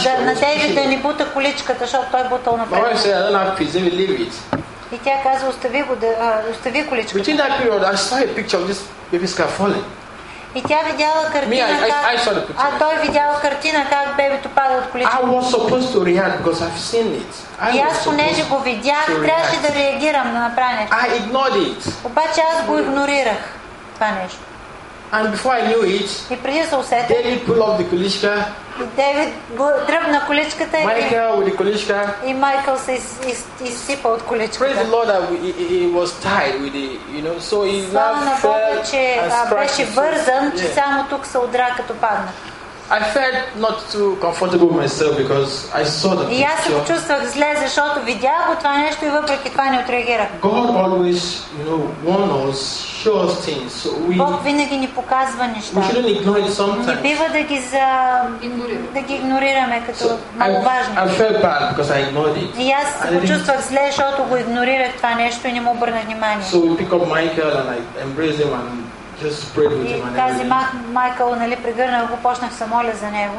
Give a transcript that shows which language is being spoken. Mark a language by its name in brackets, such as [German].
[Bulgarian] колички. На Дейвид да ни бута количката, защото той бутал напред. [English] My wife said, I don't have peace. David, leave it. [Bulgarian] И тя каза, остави го, остави количката. [English] Between that period, I saw a picture of this baby's car falling. [Bulgarian] И тя видяла картина. А той видял картина как бебето пада от количка. [English] I was supposed to react because I've seen it. [Bulgarian] И аз понеже го видях, трябваше да реагирам на направенето. [English] I ignored it. [Bulgarian] Обаче аз го игнорирах това нещо. [English] And before I knew it, [Bulgarian] и преди се усетих, [English] David pulled off the количка. [Bulgarian] Дейвид дръпна количката и Майкъл се изсипа от количката. [English] Praise the Lord that he was tied with it, you know. So he now fell and scratched. [Bulgarian] Беше вързан, че само тук се удря като падна. [English] I felt not too comfortable with myself because I saw the picture. [Bulgarian] И аз се чувствах зле, защото видях го това нещо и въпреки това не отреагирах. [English] God always, you know, warns us, shows things. [Bulgarian] Бог винаги ни показва неща. [English] We shouldn't ignore it sometimes. [Bulgarian] Не бива да ги за да ги игнорираме като много важно. [English] I felt bad because I ignored it. [Bulgarian] И аз се чувствах зле, защото го игнорирах това нещо и не му обърнах внимание. [English] So we pick up Michael and I embrace him and just prayed with him. [Bulgarian] И тази Майкъл, нали, прегърнах го, почнах се моля за него.